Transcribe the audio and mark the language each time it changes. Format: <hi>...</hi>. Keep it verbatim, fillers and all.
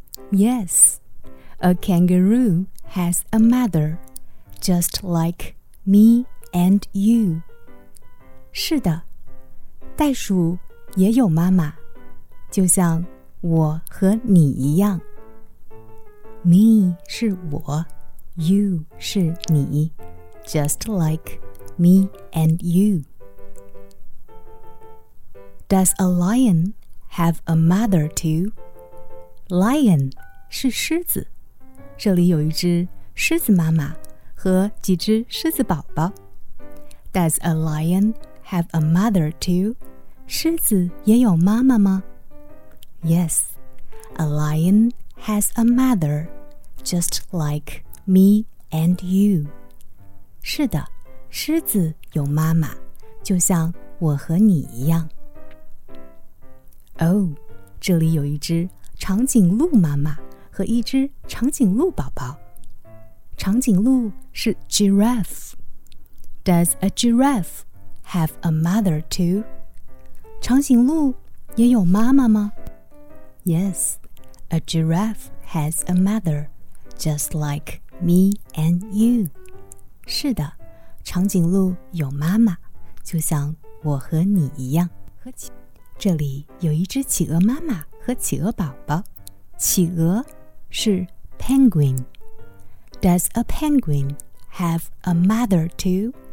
<en>Yes, a kangaroo has a mother, just like me and you.</en> <zh>是的，袋鼠也有妈妈，就像我和你一样。</zh> <en>Me</en> <zh>是我，</zh> <en>You</en> <zh>是你，</zh> <en>Just like me and you. Does a lion have a mother too?</en> <zh>Lion 是狮子，这里有一只狮子妈妈和几只狮子宝宝。</zh> <en>Does a lion have a mother too?</en> <zh>狮子也有妈妈吗？</zh> <en>Yes, a lion has a mother, just like me and you.</en> <zh>是的，狮子有妈妈，就像我和你一样。哦，这里有一只长颈鹿妈妈和一只长颈鹿宝宝。长颈鹿是</zh> <en>giraffe. Does a giraffe have a mother too?</en> <zh>长颈鹿也有妈妈吗？</zh> <en>Yes, a giraffe has a mother, just like me and you.</en> <zh>是的，长颈鹿有妈妈，就像我和你一样。这里有一只企鹅妈妈和企鹅宝宝。企鹅是</zh> <en>penguin. Does a penguin have a mother too?</en>